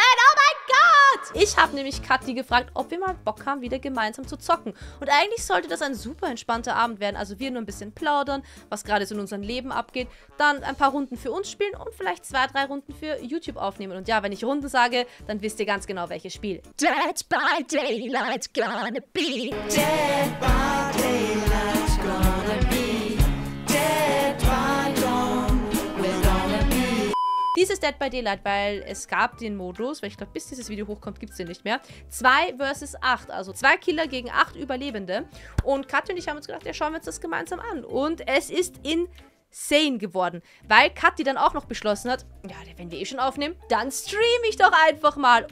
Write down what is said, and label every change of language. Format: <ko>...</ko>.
<de>Oh mein Gott. Ich habe nämlich Kathi gefragt, ob wir mal Bock haben, wieder gemeinsam zu zocken. Und eigentlich sollte das ein super entspannter Abend werden. Also wir nur ein bisschen plaudern, was gerade so in unserem Leben abgeht. Dann ein paar Runden für uns spielen und vielleicht 2, 3 Runden für YouTube aufnehmen. Und ja, wenn ich Runden sage, dann wisst ihr ganz genau, welches Spiel.</de> <en>Dead by daylight's gonna be. Dead by daylight's gonna be. Dead by dawn, we're gonna be.</en> <de>Dies ist Dead by Daylight, weil es gab den Modus, weil ich glaube, bis dieses Video hochkommt, gibt es den nicht mehr. 2 vs. 8, also 2 Killer gegen 8 Überlebende. Und Kathi und ich haben uns gedacht, ja, schauen wir uns das gemeinsam an. Und es ist in Sane geworden, weil Kathi dann auch noch beschlossen hat, ja, wenn wir eh schon aufnehmen, dann streame ich doch einfach mal.</de>